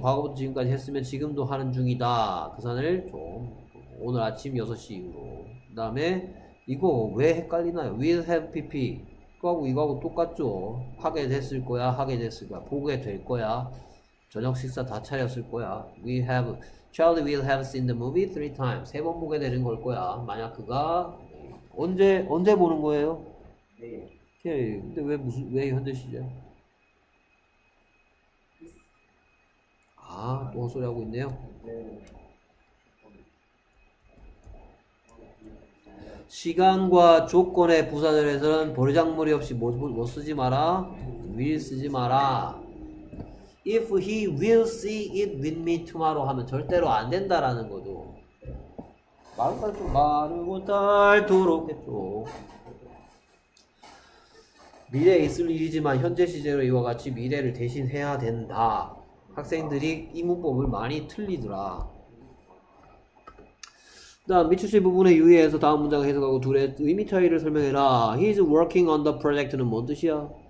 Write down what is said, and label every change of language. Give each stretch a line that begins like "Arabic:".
Korean: 과거부터 지금까지 했으면 지금도 하는 중이다. 그 산을 좀 오늘 아침 6시 이후로. 그 다음에 이거 왜 헷갈리나요? Will have PP 이거하고 이거하고 똑같죠. 하게 됐을 거야 하게 됐을 거야 보게 될 거야 저녁 식사 다 차렸을 거야.
English: We have Charlie will have seen the movie 3 times.
Korean: 세 번 보게 되는 걸 거야. 만약 그가 언제 보는 거예요? 내일. 오케이. 근데 왜 현재 시제? 아 또 헛소리 하고 있네요. 시간과 조건의 부사절에서는 버리장머리 없이 뭐 쓰지 마라?
English: will
Korean: 쓰지 마라.
English: If he will see it with me tomorrow
Korean: 하면 절대로 안 된다라는 거죠. 마르고 닳도록 했죠. 미래에 있을 일이지만 현재 시제로 이와 같이 미래를 대신해야 된다. 학생들이 이 문법을 많이 틀리더라. 다음 미추실 부분에 유의해서 다음 문장을 해석하고 둘의 의미 차이를 설명해라.
English: He is working on the project는
Korean: 뭔 뜻이야?